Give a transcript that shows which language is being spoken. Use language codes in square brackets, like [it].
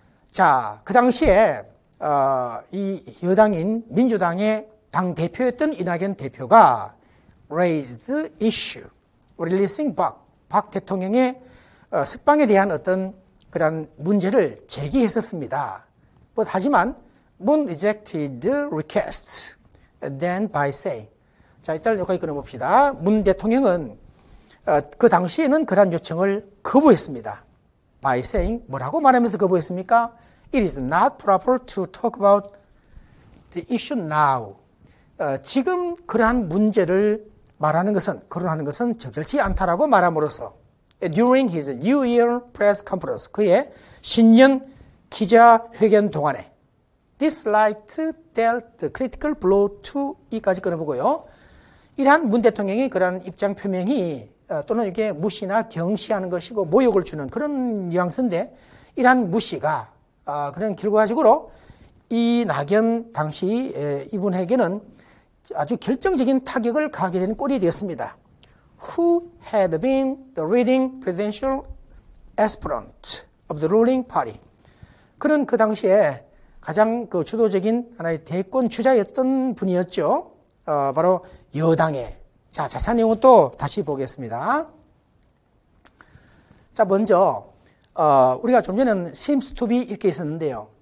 [ko] 자, 그 당시에 이 여당인 민주당의 당대표였던 이낙연 대표가 [en] raised issue, releasing Park [ko] 대통령의 석방에 대한 어떤 그런 문제를 제기했었습니다. [en] But [ko] 하지만 문 [en] rejected request, then by saying, [ko] 자, 일단 여기까지 끊어봅시다. 문 대통령은 그 당시에는 그러한 요청을 거부했습니다. [en] By saying, [ko] 뭐라고 말하면서 거부했습니까? [en] It is not proper to talk about the issue now. [ko] 지금 그러한 문제를 말하는 것은, 거론하는 것은 적절치 않다라고 말함으로써 [en] during his New Year press conference, [ko] 그의 신년 기자회견 동안에 [en] this light dealt a critical blow to [ko] 이까지 끊어보고요. 이러한 문 대통령의 그런 입장 표명이 또는 이렇게 무시나 경시하는 것이고 모욕을 주는 그런 뉘앙스인데 이러한 무시가 그런 결과적으로 이낙연 당시 이분에게는 아주 결정적인 타격을 가하게 된 꼴이 되었습니다. [en] Who had been the leading presidential aspirant of the ruling party? [ko] 그는 그 당시에 가장 그 주도적인 하나의 대권 주자였던 분이었죠. 바로 여당의 자 자세한 내용은 또 다시 보겠습니다. 자 먼저 우리가 좀 전에는 [en] seems to be [ko] 이렇게 있었는데요.